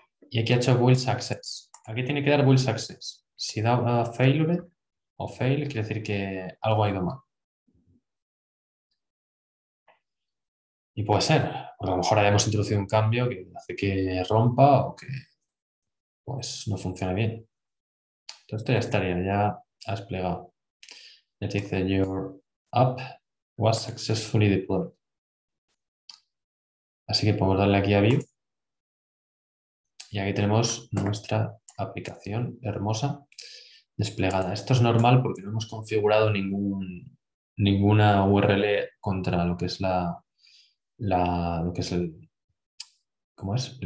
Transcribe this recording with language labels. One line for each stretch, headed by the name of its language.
Spanish: Y aquí ha hecho build success. Aquí tiene que dar build success. Si da failure o fail, quiere decir que algo ha ido mal. Y puede ser, porque a lo mejor hayamos introducido un cambio que hace que rompa o que pues no funcione bien. Entonces esto ya estaría, ya ha desplegado. Ya te dice,
English: your app was successfully deployed.
Spanish: Así que podemos darle aquí a View. Y aquí tenemos nuestra aplicación hermosa desplegada. Esto es normal porque no hemos configurado ninguna URL contra lo que es lo que es ¿cómo es?